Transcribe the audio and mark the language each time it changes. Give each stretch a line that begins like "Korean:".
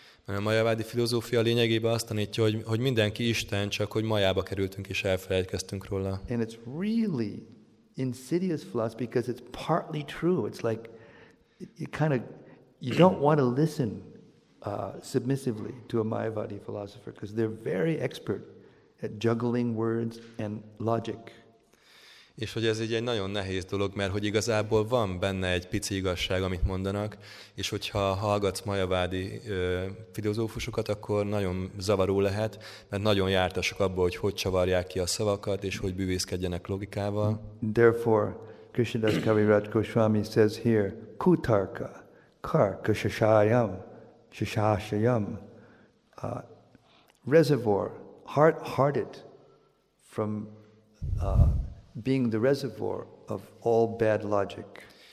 Hungarian: A Mayavadi filozófia lényegében azt tanítja, hogy mindenki Isten, csak hogy Mayába kerültünk és elfelejtkeztünk róla.
English: And it's really insidious philosophy because it's partly true. It's like you kind of you don't want to listen submissively to a Mayavadi philosopher because they're very expert at juggling words and logic.
Hungarian: És hogy ez így egy nagyon nehéz dolog, mert hogy igazából van benne egy pici igazság, amit mondanak, és hogyha hallgatsz Mayavadi filozófusokat, akkor nagyon zavaró lehet, mert nagyon jártasok abból, hogy hogy csavarják ki a szavakat, és hogy bűvészkedjenek logikával.
English: Therefore, Krishnadas Kaviraj Goswami says here, kutarka, karka shashayam, shashashayam, reservoir, heart-hearted from being the reservoir of all bad logic.